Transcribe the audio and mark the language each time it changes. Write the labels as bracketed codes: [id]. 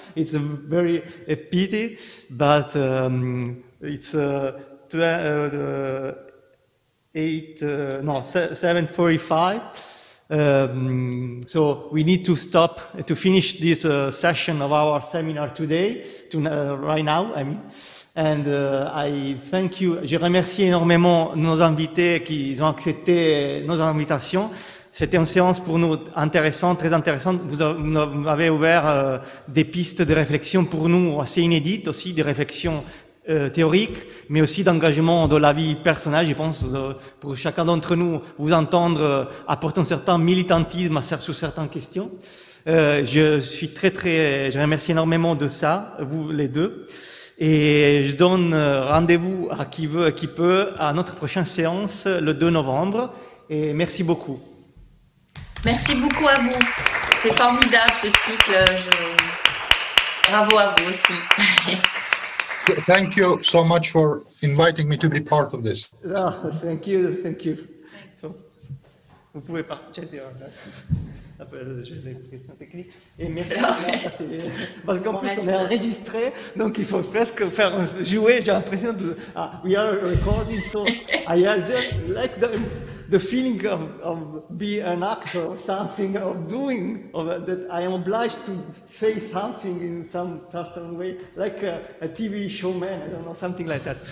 [en] It's a very a pity, but it's 7:45. So we need to stop to finish this session of our seminar today, right now, I mean. And I thank you. [fr] Je remercie énormément nos invités qui ont accepté nos invitations. C'était une séance pour nous intéressante, très intéressante. Vous avez ouvert des pistes de réflexion pour nous assez inédites aussi, des réflexions théoriques, mais aussi d'engagement de la vie personnelle. Je pense pour chacun d'entre nous, vous entendre apporter un certain militantisme sur certaines questions. Je suis très, très, je remercie énormément de ça, vous les deux. Et je donne rendez-vous à qui veut et qui peut à notre prochaine séance le 2 novembre. Et merci beaucoup. Merci beaucoup à vous. C'est formidable ce cycle. Bravo à vous aussi. [en] Thank you so much for inviting me to be part of this. Thank you. So, [fr] Vous pouvez partir. J'ai des questions techniques. Et merci. Non, mais... Parce qu'en plus, on est enregistré, donc il faut presque faire jouer. J'ai l'impression de. [en] Ah, we are recording, so I just like the feeling of being an actor, something of doing, of, that I am obliged to say something in some certain way, like a TV showman, I don't know, something like that.